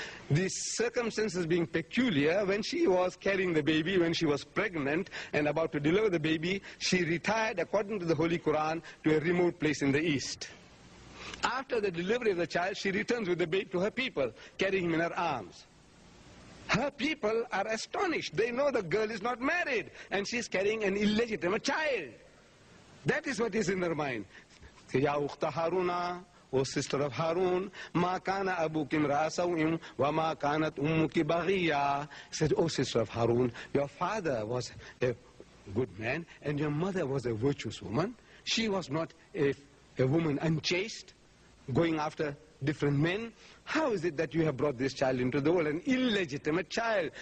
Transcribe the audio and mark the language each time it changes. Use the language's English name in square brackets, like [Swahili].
[English] The circumstances being peculiar, when she was carrying the baby, when she was pregnant and about to deliver the baby, she retired, according to the Holy Quran, to a remote place in the east. After the delivery of the child, she returns with the babe to her people, carrying him in her arms. Her people are astonished. They know the girl is not married, and she's carrying an illegitimate child. That is what is in her mind. [Arabic] يا أخت هارون [English] أو sister of هارون [Arabic] ما كان أبوك امرأ سوء وما كانت أمك بغية. [English] Said, oh sister of Harun, your father was a good man and your mother was a virtuous woman. She was not a woman unchaste, going after different men. How is it that you have brought this child into the world, an illegitimate child?